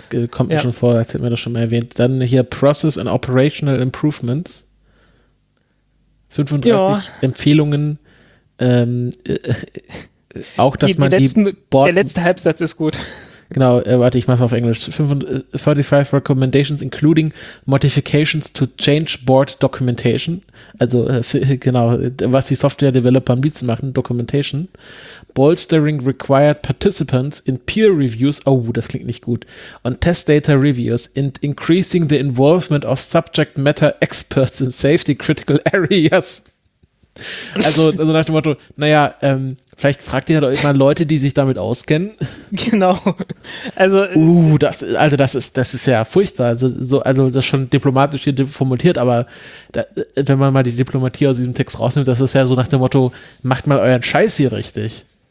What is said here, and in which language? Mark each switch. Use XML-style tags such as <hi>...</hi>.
<de>Kommt mir ja schon vor, als hätten wir das schon mal erwähnt. Dann hier</de> <en>Process and Operational Improvements.</en> <de>35 ja. Empfehlungen. Auch, dass die, man die letzten, Der letzte Halbsatz ist gut. Genau, warte, ich mach's auf Englisch.</de> <en>35 Recommendations, including Modifications to Change Board Documentation.</en> <de>Also, genau, was die Software-Developer am liebsten machen, Documentation.</de> <en>Bolstering required participants in peer reviews. Oh,</en> <de>das klingt nicht gut.</de> <en>On test data reviews and increasing the involvement of subject matter experts in safety critical areas.</en> <de>Also nach dem Motto, naja, vielleicht fragt ihr halt mal Leute, die sich damit auskennen. Genau. Also, das ist ja furchtbar. Also das ist schon diplomatisch hier formuliert, aber da, wenn man mal die Diplomatie aus diesem Text rausnimmt, das ist ja so nach dem Motto, macht mal euren Scheiß hier richtig.</de>